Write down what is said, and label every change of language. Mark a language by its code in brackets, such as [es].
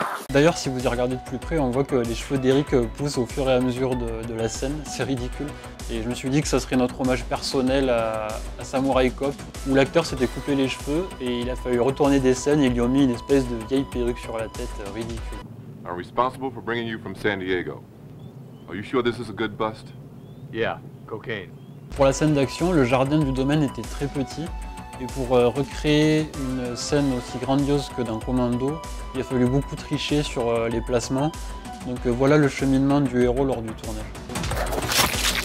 [fr] D'ailleurs, si vous y regardez de plus près, on voit que les cheveux d'Eric poussent au fur et à mesure de la scène. C'est ridicule. Et je me suis dit que ça serait notre hommage personnel à Samurai Cop, où l'acteur s'était coupé les cheveux et il a fallu retourner des scènes et ils lui ont mis une espèce de vieille perruque sur la tête. Ridicule. [en] Are responsible for bringing you from San Diego. Are you sure this is a good bust? Yeah, cocaine. [fr] Pour la scène d'action, le jardin du domaine était très petit. Et pour recréer une scène aussi grandiose que dans Commando, il a fallu beaucoup tricher sur les placements. Donc voilà le cheminement du héros lors du tournage.